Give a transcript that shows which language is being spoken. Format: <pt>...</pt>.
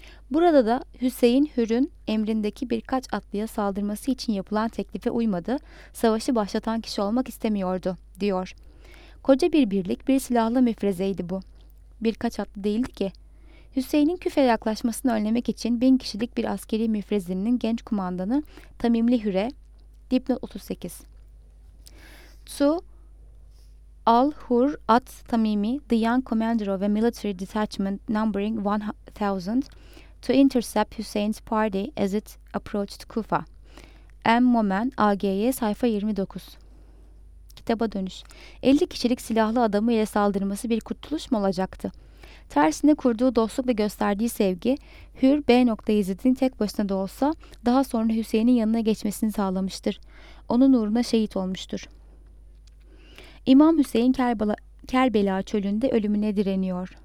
<tr>Burada da Hüseyin Hür'ün emrindeki birkaç atlıya saldırması için yapılan teklife uymadı, savaşı başlatan kişi olmak istemiyordu, diyor. Koca bir birlik, bir silahlı müfrezeydi bu. Birkaç atlı değildi ki. Hüseyin'in Küfe yaklaşmasını önlemek için 1000 kişilik bir askeri müfrezinin genç kumandanı Tamimli Hür'e, dipnot 38.</tr> <en>Tu Al-Hur at Tamimi, the young commander of a military detachment numbering 1000, to intercept Hussein's party as it approached Kufa.</en> <tr>M. Moment, AGY, sayfa 29. Kitaba dönüş. 50 kişilik silahlı adamı ile saldırması bir kurtuluş mu olacaktı? Tersine kurduğu dostluk ve gösterdiği sevgi, Hür B. Yezid'in tek başına da olsa daha sonra Hüseyin'in yanına geçmesini sağlamıştır. Onun uğruna şehit olmuştur. İmam Hüseyin Kerbela çölünde ölümüne direniyor.</tr>